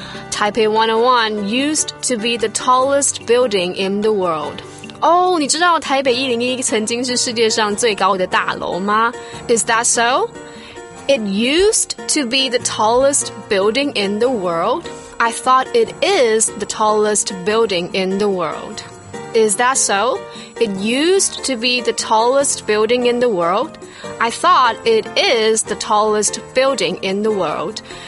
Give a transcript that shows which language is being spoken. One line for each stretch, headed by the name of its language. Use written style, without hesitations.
English: Taipei 101 used to be the tallest building in the world.
Chinese: 哦、oh, 你知道台北101曾经是世界上最高的大楼吗？
English: Is that so? It used to be the tallest building in the world. I thought it is the tallest building in the world. Is that so? It used to be the tallest building in the world. I thought it is the tallest building in the world.